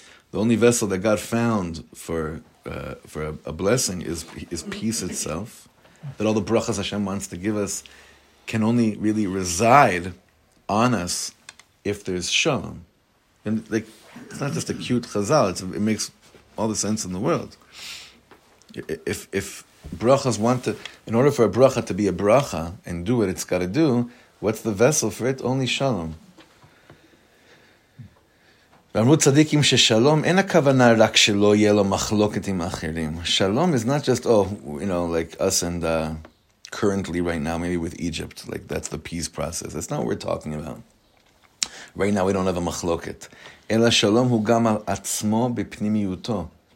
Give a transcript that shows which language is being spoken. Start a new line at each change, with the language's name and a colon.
English: The only vessel that God found for a blessing is peace itself, that all the brachas Hashem wants to give us can only really reside on us if there's shalom. And like, it's not just a cute chazal, it makes all the sense in the world. If brachas want to, in order for a bracha to be a bracha and do what it's got to do, what's the vessel for it? Only shalom.
Hebrew: ואמרו צדיקים ששלום אין הכוונה רק שלא יהיה לו מחלוקת עם אחרים.
English: שלום is not just, oh, you know, like us and currently right now, maybe with Egypt, like that's the peace process. That's not what we're talking about. Right now we don't have a מחלוקת.
Hebrew: אלא שלום הוא גם על עצמו בפנימיותו.